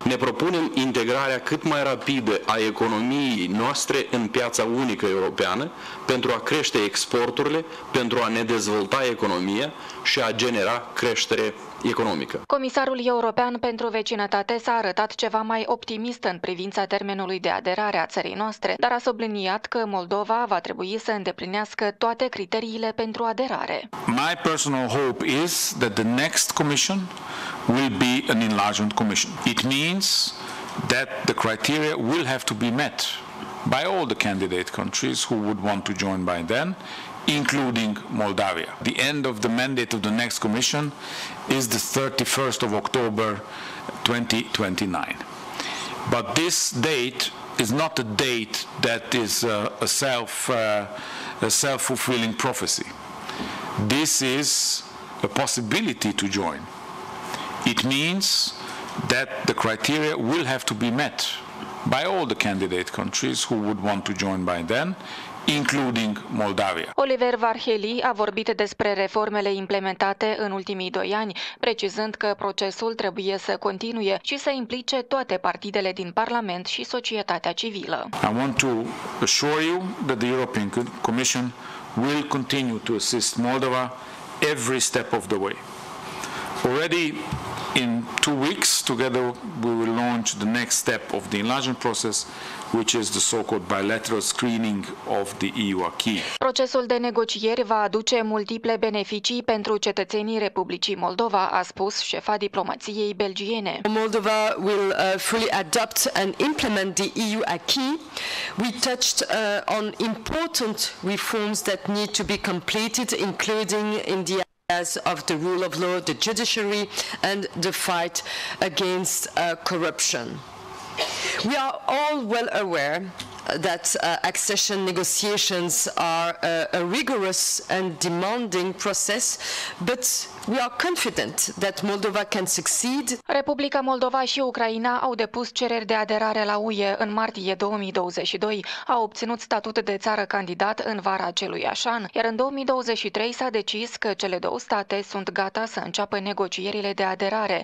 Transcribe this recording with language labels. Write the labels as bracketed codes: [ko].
[ro] Ne propunem integrarea cât mai rapidă a economiei noastre în piața unică europeană, pentru a crește exporturile, pentru a ne dezvolta economia și a genera creștere economică. Comisarul European pentru Vecinătate s-a arătat ceva mai optimist în privința termenului de aderare a țării noastre, dar a subliniat că Moldova va trebui să îndeplinească toate criteriile pentru aderare. [en] My personal hope is that the next commission will be an enlargement commission. It means that the criteria will have to be met by all the candidate countries who would want to join by then, including Moldavia. The end of the mandate of the next commission is the 31st of October 2029. But this date is not a date that is a self-fulfilling prophecy. This is a possibility to join. It means that the criteria will have to be met by all the candidate countries who would want to join by then, including Moldavia. [ro] Oliver Varhelyi a vorbit despre reformele implementate în ultimii 2 ani, precizând că procesul trebuie să continue și să implice toate partidele din Parlament și societatea civilă. [en] I want to assure you that the European Commission will continue to assist Moldova every step of the way. Already in 2 weeks, together we will launch the next step of the enlargement process, which is the so-called bilateral screening of the EU acquis. [ro] Procesul de negocieri va aduce multiple beneficii pentru cetățenii Republicii Moldova, a spus șefa diplomației belgiene. [en] Moldova will fully adopt and implement the EU acquis. We touched on important reforms that need to be completed, including in the of the rule of law, the judiciary, and the fight against corruption. We are all well aware that accession negotiations are a rigorous and demanding process, but We are confident that Moldova can succeed. [ro] Republica Moldova și Ucraina au depus cereri de aderare la UE în martie 2022, au obținut statut de țară candidat în vara acelui an, iar în 2023 s-a decis că cele două state sunt gata să înceapă negocierile de aderare.